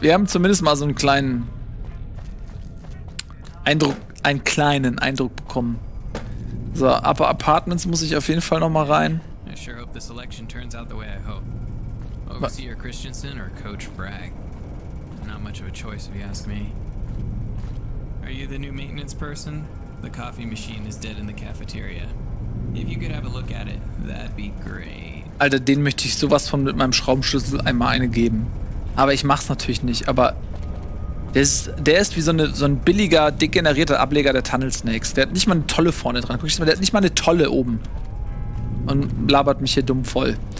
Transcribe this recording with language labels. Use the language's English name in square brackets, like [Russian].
[German] Wir haben zumindest mal so einen kleinen Eindruck, einen kleinen Eindruck bekommen. So, Upper Apartments muss ich auf jeden Fall noch mal rein. [English] I sure hope this election turns out the way I hope. Overseer Christensen or Coach Bragg? Not much of a choice, if you ask me. Are you the new maintenance person? The coffee machine is dead in the cafeteria. If you could have a look at it, that'd be great. [German] Alter, den möchte ich sowas von mit meinem Schraubenschlüssel einmal eine geben. Aber ich mach's natürlich nicht, aber Der ist wie so ein billiger, degenerierter Ableger der Tunnel Snakes. Der hat nicht mal eine Tolle vorne dran. Guck ich mal, der hat nicht mal eine Tolle oben. Und labert mich hier dumm voll.